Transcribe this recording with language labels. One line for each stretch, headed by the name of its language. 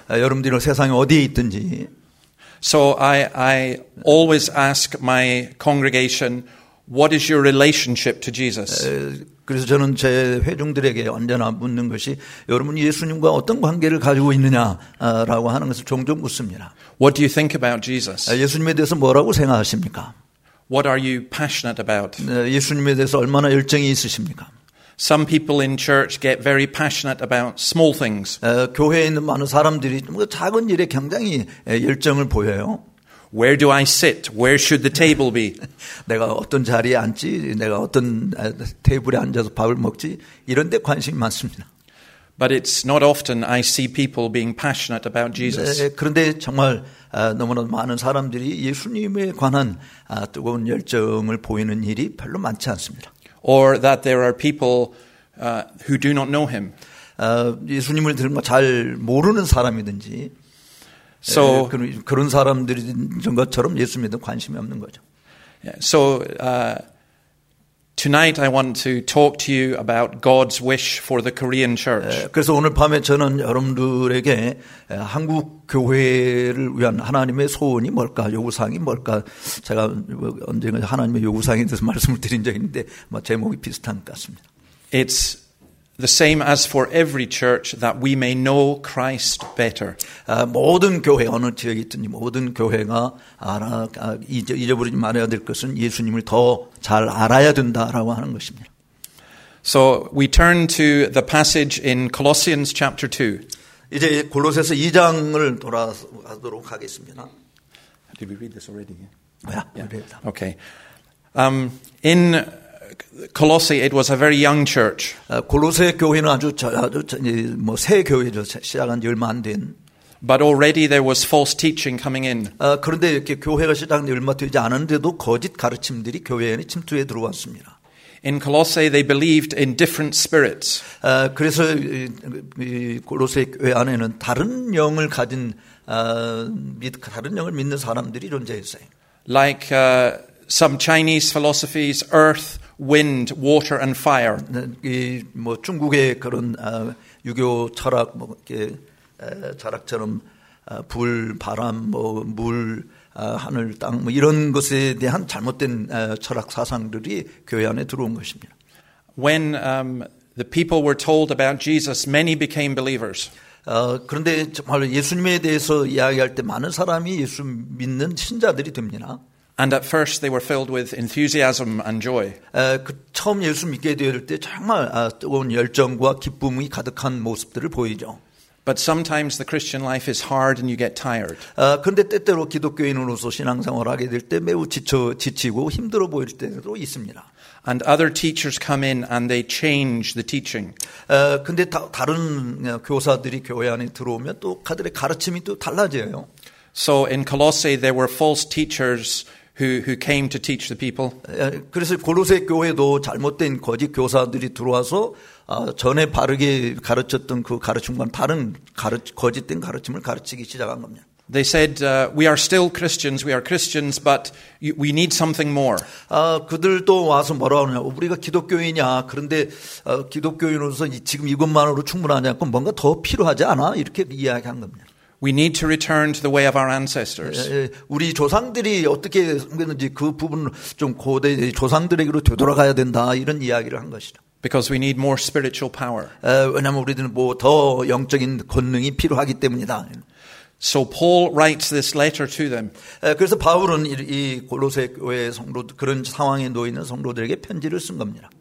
Korean: 여러분들이 세상에 어디에 있든지.
English: So I always ask my congregation, what is your relationship to Jesus?
Korean: 그래서 저는 제 회중들에게 언제나 묻는 것이 여러분 예수님과 어떤 관계를 가지고 있느냐라고 하는 것을 종종 묻습니다.
English: What do you think about Jesus?
Korean: 예수님에 대해서 뭐라고 생각하십니까?
English: What are you passionate about?
Korean: 예수님에 대해서 얼마나 열정이 있으십니까?
English: Some people in church get very passionate about small things.
Korean: 교회에 있는 많은 사람들이 작은 일에 굉장히 열정을 보여요.
English: Where do I sit? Where should the table be?
Korean: 내가 어떤 자리에 앉지? 내가 어떤 테이블에 앉아서 밥을 먹지? 이런 데 관심이 많습니다.
English: But it's not often I see people being passionate about Jesus.
Korean: 그런데 정말 너무나 많은 사람들이 예수님에 관한 뜨거운 열정을 보이는 일이 별로 많지 않습니다.
English: Or that there are people who do not know him.
Korean: 예수님을 정말 잘 모르는 사람이든지.
English: So
Korean: 그런 사람들인 것처럼 예수님에 관심이 없는 거죠.
English: So Tonight I want to talk to you about God's wish for the Korean church.
Korean: 그래서 오늘 밤에 저는 여러분들에게 한국 교회를 위한 하나님의 소원이 뭘까, 요구사항이 뭘까, 제가 언젠가 하나님의 요구사항에 대해서 말씀을 드린 적이 있는데 아마 제목이 비슷한 것 같습니다.
English: It's the same as for every church that we may know Christ better.
Korean: 모든 교회, 어느 지역에 있든지 모든 교회가 잊어버리지 말아야 될 것은 예수님을 더 잘 알아야 된다라고 하는 것입니다.
English: So we turn to the passage in Colossians chapter 2.
Korean: 이제 골로새서 2장을 돌아가도록 하겠습니다.
English: Did we read this already? Yeah. Okay. In Colossae, it was a very young church.
Korean: 골로새 교회는 아주 뭐 새 교회죠. 시작한 지 얼마 안 된.
English: But already there was false teaching coming in.
Korean: 그런데 이렇게 교회가 시작한 지 얼마 되지 않은데도 거짓 가르침들이 교회에 침투해 들어왔습니다.
English: In Colossae, they believed in different spirits.
Korean: 그래서 골로새 교회 안에는 다른 영을 가진 다른 영을 믿는 사람들이 존재했어요.
English: Like some Chinese philosophies, earth, wind, water, and fire.
Korean: 이 뭐 중국의 그런 유교 철학 뭐 이렇게 철학처럼 불, 바람, 뭐 물, 하늘, 땅 뭐 이런 것에 대한 잘못된 철학 사상들이 교회 안에 들어온 것입니다.
English: When the people were told about Jesus, many became believers.
Korean: 그런데 정말 예수님에 대해서 이야기할 때 많은 사람이 예수 믿는 신자들이 됩니다.
English: And at first they were filled with enthusiasm and joy.
Korean: 처음 예수 믿게 되었을 때 정말 뜨거운 열정과 기쁨이 가득한 모습들을 보이죠.
English: But sometimes the Christian life is hard and you get tired.
Korean: 근데 때때로 기독교인으로서 신앙생활을 하게 될 때 매우 지치고 힘들어 보일 때도 있습니다.
English: And other teachers come in and they change the teaching.
Korean: 근데 다른 교사들이 교회 안에 들어오면 또 그들의 가르침이 또 달라져요.
English: So in Colossae there were false teachers who came to teach the people.
Korean: 그래서 골로새 교회도 잘못된 거짓 교사들이 들어와서 전에 바르게 가르쳤던 그 가르침과는 다른 거짓된 가르침을 가르치기 시작한 겁니다.
English: They said we are still Christians. We are Christians but we need something more.
Korean: 그들도 와서 뭐라고 하느냐? 우리가 기독교인이야. 그런데 기독교인으로서 지금 이것만으로 충분하냐? 그럼 뭔가 더 필요하지 않아? 이렇게 이야기한 겁니다.
English: We need to return to the way of our ancestors.
Korean: 우리 조상들이 어떻게 했는지 그 부분 좀 고대 조상들에게로 되돌아가야 된다 이런 이야기를 한 것이다.
English: Because we need more spiritual power.
Korean: 왜냐하면 우리는 뭐 더 영적인 권능이 필요하기 때문이다.
English: So Paul writes this letter to them.
Korean: 그래서 바울은 이 골로새 교회 성도 그런 상황에 놓이는 성도들에게 편지를 쓴 겁니다.